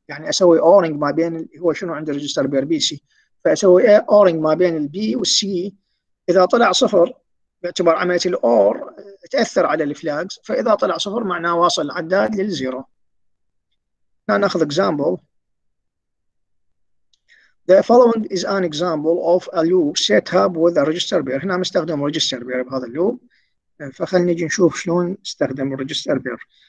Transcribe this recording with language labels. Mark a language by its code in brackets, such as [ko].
[ar] يعني اسوي اورنج ما بين هو شنو عند الرجستر بير بي سي فاسوي اورنج ما بين البي والسي. اذا طلع صفر باعتبار عمليه الاور تاثر على الفلاجز فاذا طلع صفر معناه واصل العداد للزيرو. ناخذ اكزامبل. [en] The following is an example of a loop set up with a register pair. [ar] هنا مستخدم register pair بهذا اللوب فخلني نجي نشوف شلون استخدم الريجستر بير.